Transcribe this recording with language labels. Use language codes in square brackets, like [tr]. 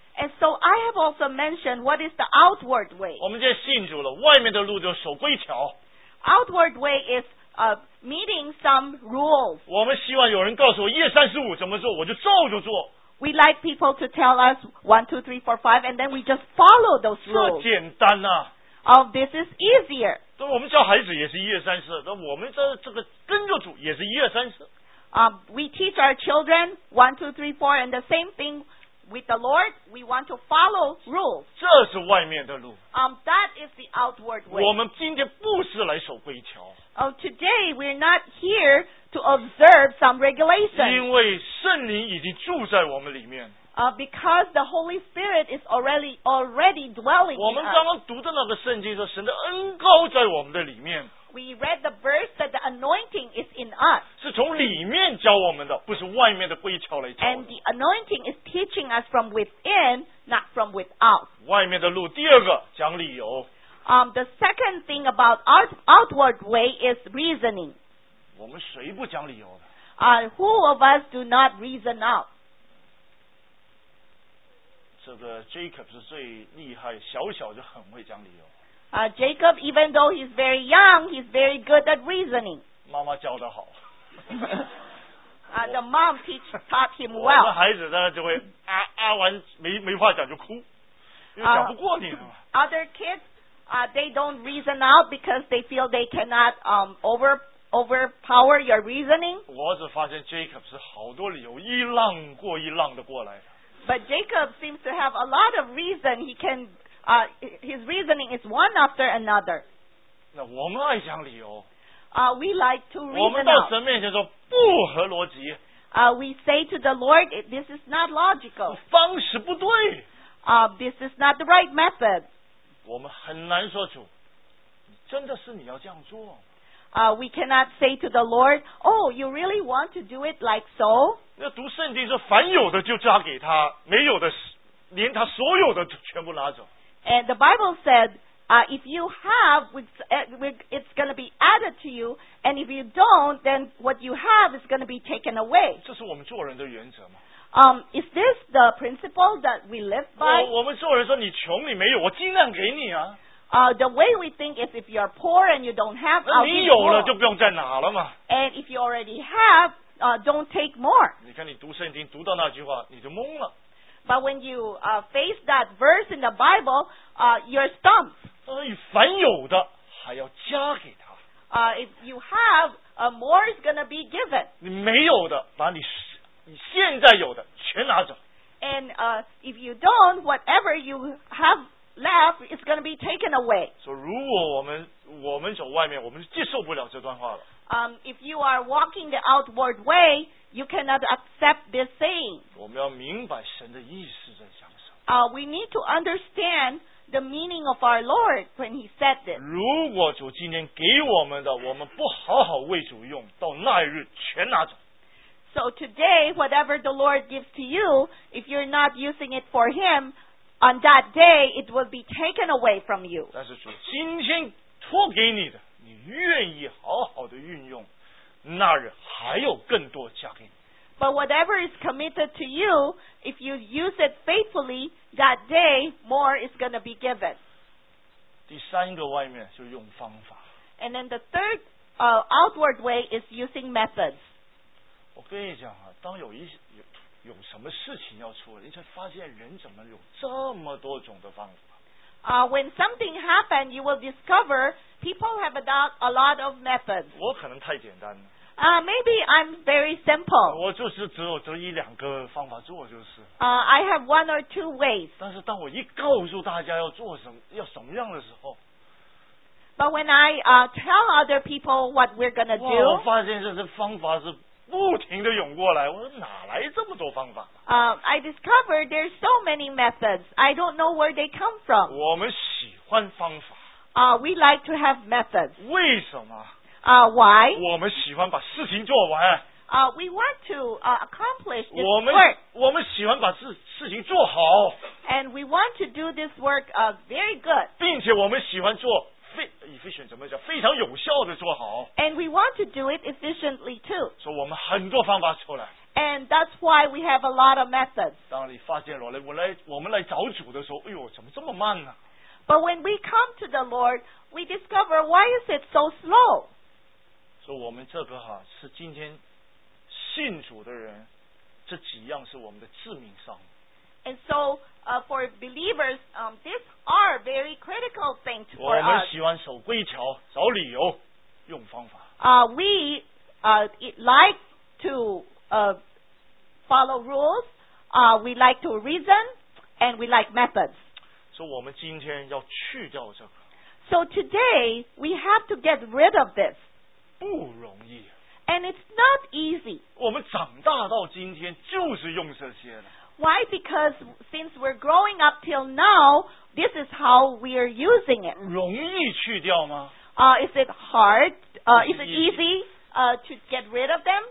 [en] And so I have also mentioned what is the outward way. [zh] 我们现在信主了，外面的路就守规条。 [en] Outward way is meeting some rules. [zh] 我们希望有人告诉我一二三四五怎么做，我就照着做。 [en] We like people to tell us 1, 2, 3, 4, 5, and then we just follow those rules. [zh] 这简单呐、 [en] 啊。This is easier. [zh] 对，我们教孩子也是一二三四，那我们这个跟着主也是一二三四。 [en] We teach our children 1, 2, 3, 4, and the same thing. With the Lord, we want to follow rules. [zh] 这是外面的路。 [en] That is the outward way. [zh] 我们今天不是来守规条。 [en] Today we're not here to observe some regulations. [zh] 因为圣灵已经住在我们里面。 [en] Because the Holy Spirit is already dwelling in us. [zh] 我们刚刚读的那个圣经说，神的恩膏在我们的里面。 [en] We read the verse that the anointing is in us. [zh] 是从里面教我们的，不是外面的规条来教。 [en] And the anointing is teaching us from within, not from without. [zh] 外面的路，第二个讲理由。 [en] The second thing about outward way is reasoning. [zh] 我们谁不讲理由的？ [en] Who of us do not reason out? [zh] 这个 Jacob 是最厉害，小小就很会讲理由。 [en] Jacob, even though he's very young, he's very good at reasoning. [zh] 妈妈教得好。 [en] The mom taught him well. [zh] 我的孩子呢就会完没话讲就哭，因为讲不过你了。 [en] Other kids, they don't reason out because they feel they cannot overpower your reasoning. [zh] 我只发现 Jacob 是好多理由一浪过一浪的过来。 [en] But Jacob seems to have a lot of reason. He can. His reasoning is one after another. [zh] 那我们爱讲理由。 [en] We like to reason out. [zh] 我们到神面前说不合逻辑。 [en] We say to the Lord, this is not logical. [zh] 方式不对。 [en] This is not the right method. [zh] 我们很难说主，真的是你要这样做。 [en] We cannot say to the Lord, oh, you really want to do it like so? [zh] 那读圣经说凡有的就加给他，没有的连他所有的全部拿走。 [en] And the Bible said, if you have, it's going to be added to you, and if you don't, then what you have is going to be taken away. [zh] 这是我们做人的原则吗？ [en] Is this the principle that we live by? [zh] 我们做人说你穷你没有，我尽量给你啊。 [en] The way we think is if you're poor and you don't have, I'll give you more. [zh] 你有了就不用再拿了嘛。 [en] And if you already have, don't take more. [zh] 你看你读圣经读到那句话，你就懵了。 [en] But when you face that verse in the Bible, you're stumped. [zh] 凡有的还要加给他。 [en] If you have, more is going to be given. [zh] 你没有的，把你现在有的全拿走。 [en] And if you don't, whatever you have left is going to be taken away. [zh] 所以如果我们走外面，我们接受不了这段话了。 [en] If you are walking the outward way, you cannot accept this saying. [zh] 我们要明白神的意思在讲什么。 [en] We need to understand the meaning of our Lord when he said this. [zh] 如果主今天给我们的，我们不好好为主用，到那一日全拿走。 [en] So today, whatever the Lord gives to you, if you're not using it for him, on that day, it will be taken away from you. [zh] 但是主今天托给你的。你愿意好好的运用，那日还有更多加给你。 [en] But whatever is committed to you, if you use it faithfully, that day more is going to be given. [zh] 第三个外面就用方法。 [en] And then the third, outward way is using methods. [zh] 我跟你讲啊，当有什么事情要出来，你才发现人怎么有这么多种的方法。 [en] When something happens, you will discover people have adopted a lot of methods. [zh] 我可能太简单了。 [en] Maybe I'm very simple. [zh] 我就是只有一两个方法做就是。 [en] I have one or two ways. [zh] 但是当我一告诉大家要做什么，要什么样的时候。 [en] But when I tell other people what we're going to do. [zh] 我发现这方法是不停地涌过来，我说哪来这么多方法？ [en] I discovered there's so many methods. I don't know where they come from. [zh] 我们喜欢方法。 [en] We like to have methods. [zh] 为什么？ [en] Why? [zh] 我们喜欢把事情做完。 [en] We want to accomplish this [zh] 我们喜欢把事情做好。 [en] And we want to do this work very good. [zh] 并且我们喜欢做efficient 怎么讲？非常有效的做好。 [en] And we want to do it efficiently too. [zh] 所以我们很多方法出来。 [en] And that's why we have a lot of methods. [zh] 当你发现我们来找主的时候，哎呦，怎么这么慢呢？ [en] But when we come to the Lord, we discover why is it so slow? [zh] 所以我们这个哈是今天信主的人，这几样是我们的致命伤。 [en] And so, for believers, these are very critical things for us. [zh] 我们喜欢守规条，找理由，用方法。 [en] We like to follow rules. We like to reason, and we like methods. [zh] 所以我们今天要去掉这个。 [en] So today we have to get rid of this. [zh] 不容易。 [en] And it's not easy. [zh] 我们长大到今天就是用这些的。 [en] Why? Because since we're growing up till now, this is how we are using it. 容易去掉吗？ Is it hard? Is it easy to get rid of them?